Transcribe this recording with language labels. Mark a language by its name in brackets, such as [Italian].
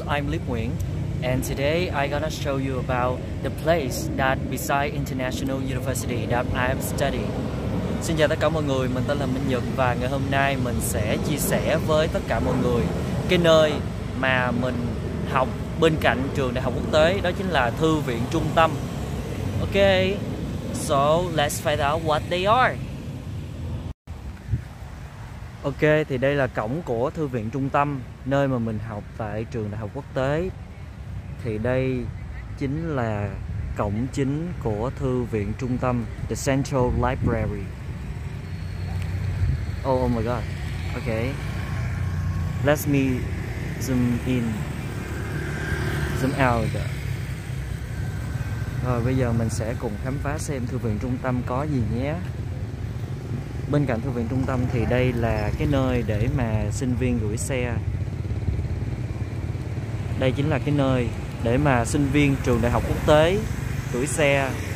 [English] I'm Lip Nguyen, and today I'm gonna show you about the place that beside International University that I have studied. [Vietnamese] Xin chào tất cả mọi người, mình tên là Minh Nhật và ngày hôm nay mình sẽ chia sẻ với tất cả mọi người cái nơi mà mình học bên cạnh trường đại học quốc tế, đó chính là thư viện trung tâm. [English] Ok, so let's find out what they are. [Vietnamese] Ok, thì đây là cổng của thư viện trung tâm, nơi mà mình học tại trường đại học quốc tế. Thì đây chính là cổng chính của thư viện trung tâm, [English] the central library. Oh my god. Ok, let me zoom in, zoom out. [Vietnamese] Rồi bây giờ mình sẽ cùng khám phá xem thư viện trung tâm có gì nhé. Bên cạnh thư viện trung tâm thì đây là cái nơi để mà sinh viên gửi xe. Đây chính là cái nơi để mà sinh viên trường đại học quốc tế gửi xe.